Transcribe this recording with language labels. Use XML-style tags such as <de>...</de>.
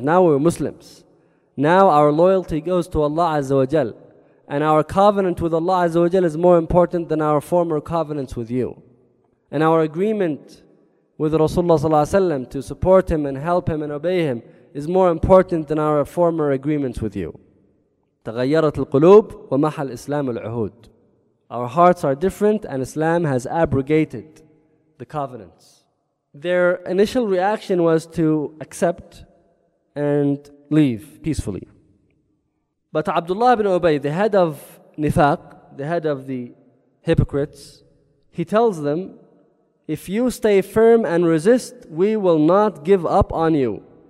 <en>Now we're Muslims. Now our loyalty goes to Allah Azza wa Jal. And our covenant with Allah Azza wa Jal is more important than our former covenants with you. And our agreement with Rasulullah sallallahu alayhi wa sallam to support him and help him and obey him is more important than our former agreements with you.</en> <ar>تغيرت القلوب ومحل الإسلام العهود.</ar> <en>Our hearts are different and Islam has abrogated the covenants. Their initial reaction was to accept and leave peacefully. But Abdullah ibn Ubay, the head of nifaq, the head of the hypocrites, he tells them, if you stay firm and resist, we will not give up on you.</en>